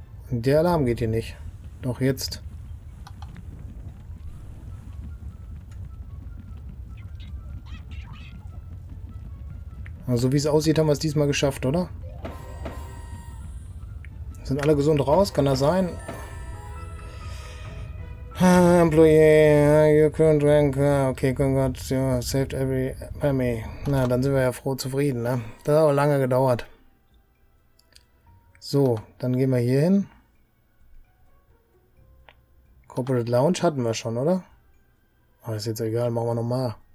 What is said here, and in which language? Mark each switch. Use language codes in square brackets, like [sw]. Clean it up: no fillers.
[de] Und der Alarm geht hier nicht. Doch jetzt. Also wie es aussieht, haben wir es diesmal geschafft, oder? Sind alle gesund raus? Kann das sein? [en] Employee, you couldn't drink. Okay, congrats, you saved every penny. [de] Na, dann sind wir ja froh zufrieden, ne? Das hat aber lange gedauert. So, dann gehen wir hier hin. Corporate Lounge hatten wir schon, oder? Aber ist jetzt egal, machen wir nochmal.